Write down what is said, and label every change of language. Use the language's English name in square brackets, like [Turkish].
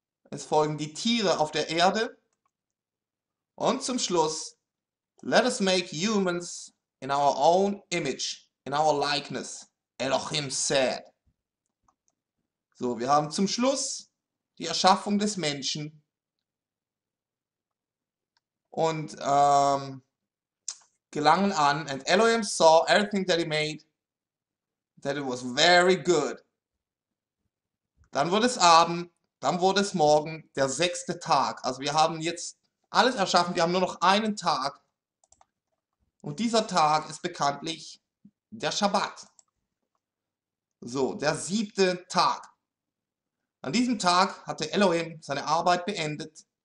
[German] Es folgen die Tiere auf der Erde. Und zum Schluss, [English] let us make humans in our own image, in our likeness, Elohim said. [German] So, wir haben zum Schluss die Erschaffung des Menschen. Und gelangen an, [English] and Elohim saw everything that he made, that it was very good. [German] Dann wurde es Abend, dann wurde es Morgen, der sechste Tag. Also wir haben jetzt alles erschaffen, wir haben nur noch einen Tag. Und dieser Tag ist bekanntlich der Schabbat. So, der siebte Tag. An diesem Tag hatte Elohim seine Arbeit beendet.